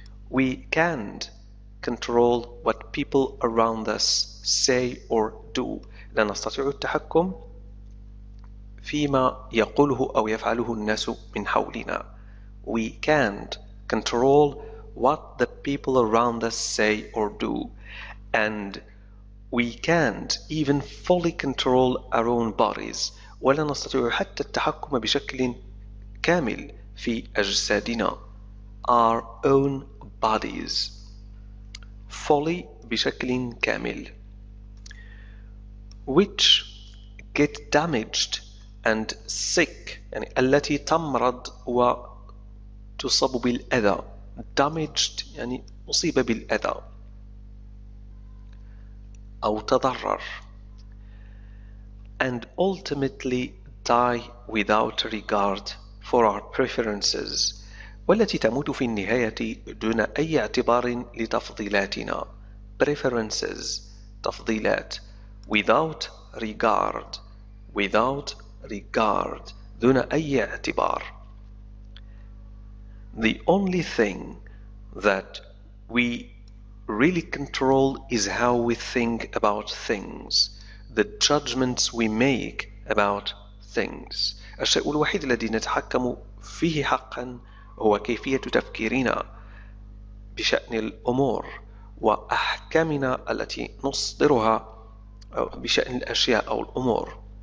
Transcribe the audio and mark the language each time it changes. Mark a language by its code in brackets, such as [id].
[en] We can't control what people around us say or do. [ar] لا نستطيع التحكم فيما يقوله أو يفعله الناس من حولنا. [en] We can't control what the people around us say or do. And we can't even fully control our own bodies. [ar] ولا نستطيع حتى التحكم بشكل كامل في أجسادنا. [en] Our own bodies. Fully [ar] بشكل كامل. [en] Which get damaged and sick. [ar] يعني التي تمرض و تصاب بالأذى. damaged يعني مصيبة بالأذى أو تضرر. [en] and ultimately die without regard for our preferences. [ar] والتي تموت في النهاية دون أي اعتبار لتفضيلاتنا. [en] preferences [ar] تفضيلات. [en] without regard without regard [ar] دون أي اعتبار. [en] The only thing that we really control is how we think about things, the judgments we make about things. [ar] الشيء الوحيد الذي نتحكم فيه حقا هو كيفية تفكيرنا بشأن الأمور وأحكامنا التي نصدرها بشأن الأشياء أو الأمور.